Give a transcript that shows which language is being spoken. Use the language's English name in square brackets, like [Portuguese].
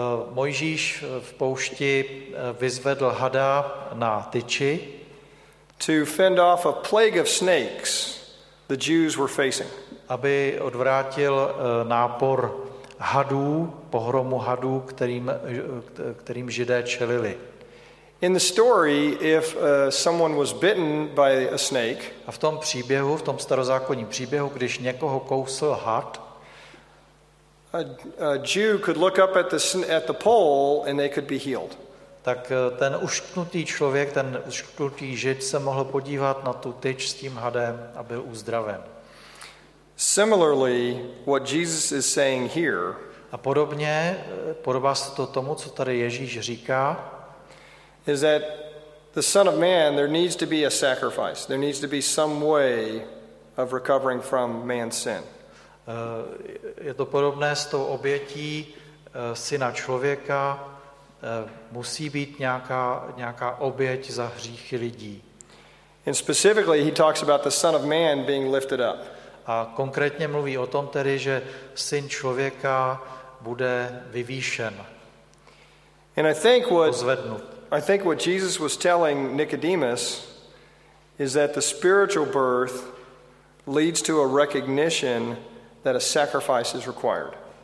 [Czech] Mojžíš v poušti vyzvedl hada na tyči. [English] To fend off a plague of snakes the Jews were facing. [Czech] Aby odvrátil nápor hadů, pohromu hadů, kterým Židé čelili. [English] In the story, if someone was bitten by a snake, [Czech] a v tom příběhu, v tom starozákonním příběhu, když někoho kousl had, [English] a Jew could look up at the pole and they could be healed. [Czech] Tak ten ušknutý člověk, ten ušknutý žid se mohl podívat na tu tyč s tím hadem a byl uzdraven. [English] Similarly, what Jesus is saying here, [Czech] a podobně, podobá se to tomu, co tady Ježíš říká, [English] is that the Son of Man, there needs to be a sacrifice. There needs to be some way of recovering from man's sin. [Czech] Je to podobné s tou obětí syna člověka, musí být nějaká oběť za hříchy lidí. [English] And specifically he talks about the Son of Man being lifted up. [Czech] A konkrétně mluví o tom tedy, že syn člověka bude vyvýšen. [English] And I think what Jesus was telling Nicodemus is that the spiritual birth leads to a recognition that a sacrifice is required.